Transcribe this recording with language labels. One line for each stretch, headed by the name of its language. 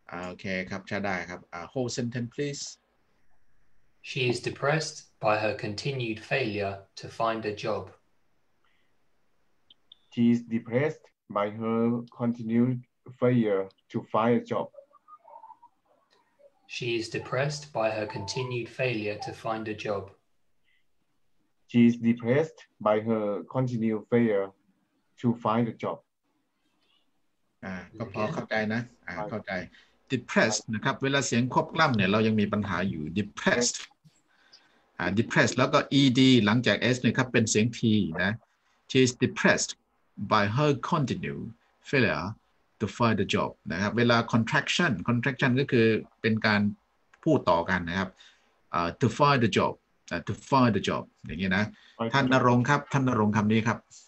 English: Okay,
Thai: ครับ ใช่ได้ครับ
English: whole sentence, please. She is depressed by her continued failure to find a job. She is depressed by her continued failure. To find a job. She is depressed by her continued failure to find a job. She is depressed by her continued failure to find a job.
Thai: ก็พอเข้าใจนะเข้าใจ depressed นะครับเวลาเสียงควบกล้ำเนี่ยเรายังมีปัญหาอยู่ depressed depressed แล้วก็ ed หลังจาก s นะครับเป็นเสียง t นะ
English: she is depressed by her continued failureTo find the job
Thai: นะครับเวลา contraction ก็คือเป็นการพูดต่อกันนะครับ
English: to find the job
Thai: to find the job อย่างนี้นะท่านณรงค์ครับท่านณรงค์คำนี้ครับ